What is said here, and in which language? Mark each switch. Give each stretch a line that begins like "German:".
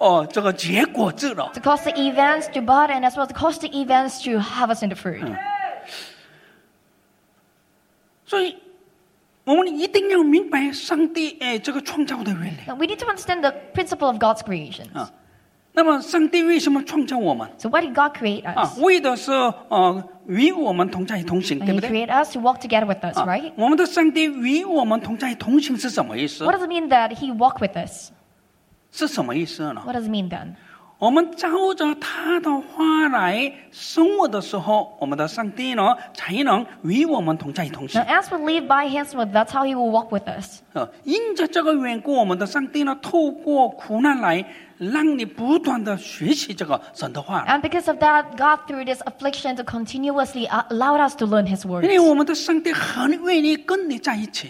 Chinese: 这个结果子了。
English: To cause the events to bud and as well as cause the events to harvest in the fruit.
Chinese: 所以，我们一定要明白上帝这个创造的原理。
English: We need to understand the principle of God's creations.
Chinese: 那么上帝为什么创造我们
English: ？So why did God create us？
Chinese: 为的是与我们同在同行，对不对
English: ？He created us to walk together with us, right？
Chinese: 我们的上帝与我们同在同行是什么意思
English: ？What does it mean that He walk with us？
Chinese: 是什么意思呢
English: ？What does it mean then？
Chinese: 我们照着他的话来生活的时候，我们的上帝呢才能与我们同在同行。
English: Now as we live by His word, that's how He will walk with us.
Chinese: 因着这个缘故，我们的上帝呢透过苦难来。让你不断的学习这个神的话。
English: And because of that, God through this affliction to continuously allowed us to learn His words.
Chinese: 因为我们的上帝很愿意跟你在一起。